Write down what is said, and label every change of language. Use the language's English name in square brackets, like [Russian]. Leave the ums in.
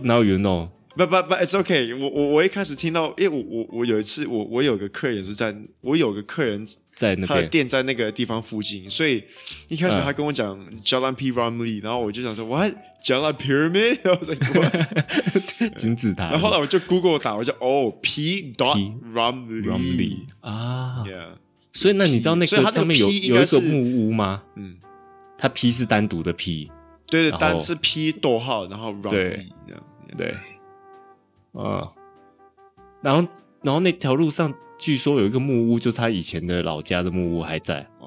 [English] now you know。 [Chinese] 不不不， [English] It's OK。 [Chinese] 我我我一开始听到，因为我我我有一次，我我有个客人是在，我有个客人在那个，他的店在那个地方附近，所以一开始他跟我讲 Jalan p r a m i d 然后我就想说 [English] What Jalan Pyramid？ [Chinese] 金字塔。然后后来我就 Google 打，我就哦 P dot Ramly 啊，所以那你知道那个上面有有一个木屋吗？嗯，它 P 是单独的 P，对对，单是 P 逗号，然后 Ramly 这样对。啊，uh, 然后，然后那条路上据说有一个木屋，就是他以前的老家的木屋还在哦。